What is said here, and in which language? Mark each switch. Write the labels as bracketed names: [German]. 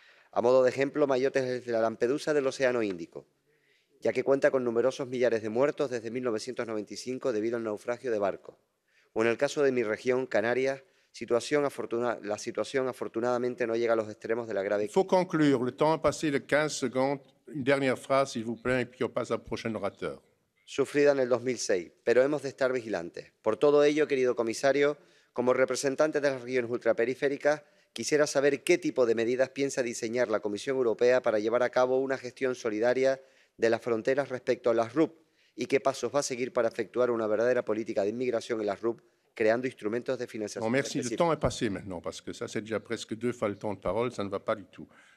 [Spanish] A modo de ejemplo, Mayotte es la Lampedusa del Océano Índico, ya que cuenta con numerosos millares de muertos desde 1995 debido al naufragio de barcos. O en el caso de mi región, Canarias, la situación afortunadamente no llega a los extremos de la grave crisis. [French] Faut conclure, le temps a passé de 15 secondes. Une dernière phrase, s'il vous plaît, et puis on passe au prochain orateur. [Spanish] Sufrida en el 2006, pero hemos de estar vigilantes. Por todo ello, querido comisario, como representante de las regiones ultraperiféricas, quisiera saber qué tipo de medidas piensa diseñar la Comisión Europea para llevar a cabo una gestión solidaria de las fronteras respecto a las RUP y qué pasos va a seguir para efectuar una verdadera política de inmigración en las RUP, creando instrumentos de financiación. [French] No, merci, le temps est passé maintenant, parce que ça, c'est déjà presque deux fois le temps de parole, ça ne va pas du tout.